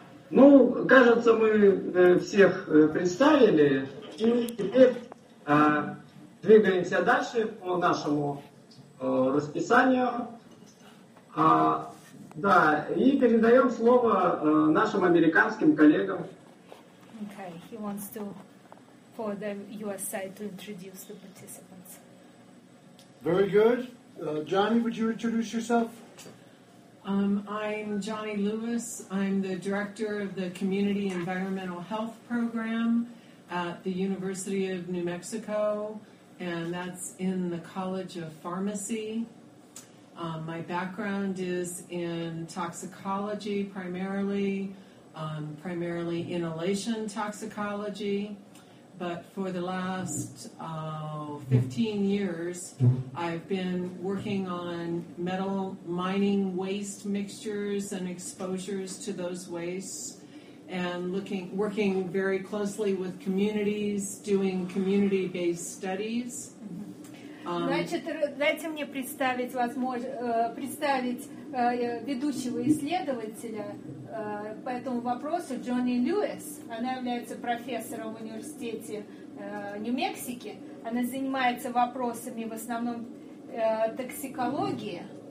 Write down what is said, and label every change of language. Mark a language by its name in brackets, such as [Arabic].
[Russian] Ну, кажется, мы всех представили. И теперь двигаемся дальше по нашему расписанию. Да, и передаем слово нашим американским коллегам. [English] Okay, he wants to, for the U.S. side, to introduce the participants. Very good. Johnny, would you introduce yourself? I'm Johnny Lewis. I'm the director of the Community Environmental Health Program at the University of New Mexico, and that's in the College of Pharmacy. My background is in toxicology primarily. Primarily inhalation toxicology, but for the last 15 years, I've been working on metal mining waste mixtures and exposures to those wastes, and working very closely with communities, doing community-based studies. [Russian] Значит, дайте мне представить ведущего исследователя по этому вопросу, Джонни Льюис. Она является профессором в университете Нью-Мексики. Она занимается вопросами в основном токсикологии.